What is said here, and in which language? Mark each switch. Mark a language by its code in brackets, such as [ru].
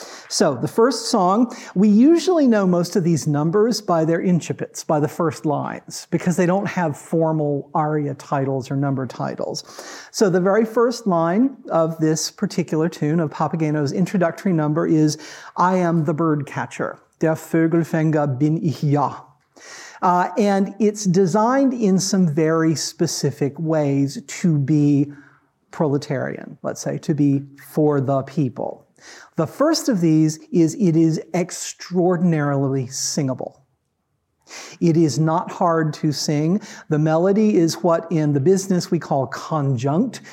[en] So the first song, we usually know most of these numbers by their incipits, by the first lines, because they don't have formal aria titles or number titles. So the very first line of this particular tune of Papageno's introductory number is, I am the bird catcher. [de] Der Vögelfänger bin ich ja. [en] And it's designed in some very specific ways to be proletarian, let's say, to be for the people. The first of these is it is extraordinarily singable. It is not hard to sing. The melody is what in the business we call conjunct.